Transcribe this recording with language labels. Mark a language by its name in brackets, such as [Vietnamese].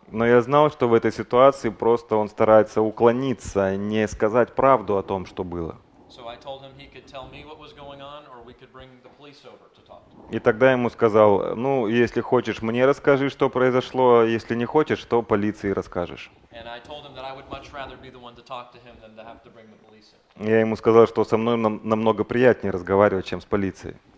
[Russian] Но я знал, что в этой ситуации просто он старается уклониться, не сказать правду о том, что было. [English] So I told him he could tell me what was going on, or we could bring the police over to talk. [Russian] И тогда ему сказал: ну, если хочешь, мне расскажи, что произошло, а если не хочешь, то полиции расскажешь. [English] And I told him that I would much rather be the one to talk to him than to have to bring the police in. [Russian] Я ему сказал, что со мной намного приятнее разговаривать, чем с полицией.